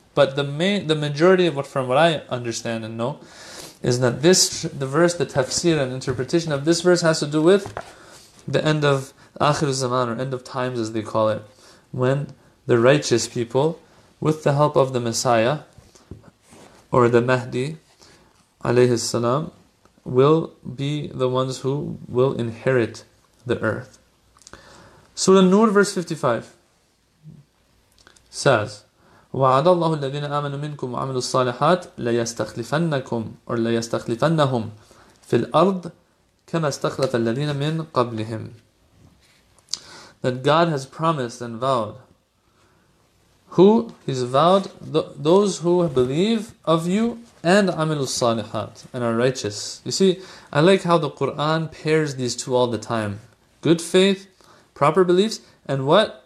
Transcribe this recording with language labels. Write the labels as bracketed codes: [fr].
[en] But the majority of what, from what I understand and know, is that this, the verse, the tafsir and interpretation of this verse has to do with the end of akhir zaman, or end of times as they call it, when the righteous people, with the help of the Messiah, or the Mahdi, alayhi salam, will be the ones who will inherit the earth. Surah An-Nur, verse 55, says, [ar] وَعَدَ اللَّهُ الَّذِينَ آمَنُوا مِنْكُمْ وَعَمِلُوا الصَّالِحَاتِ لَيَسْتَخْلِفَنَّكُمْ أَوْ لَيَسْتَخْلِفَنَّهُمْ فِي الْأَرْضِ كَمَا اسْتَخْلَفَ الَّذِينَ مِنْ قَبْلِهِمْ. [en] That God has promised and vowed. Who? He's vowed those who believe of you and [ar] عَمِلُوا الصَّالِحَاتِ [en] and are righteous. You see, I like how the Qur'an pairs these two all the time. Good faith, proper beliefs, and what?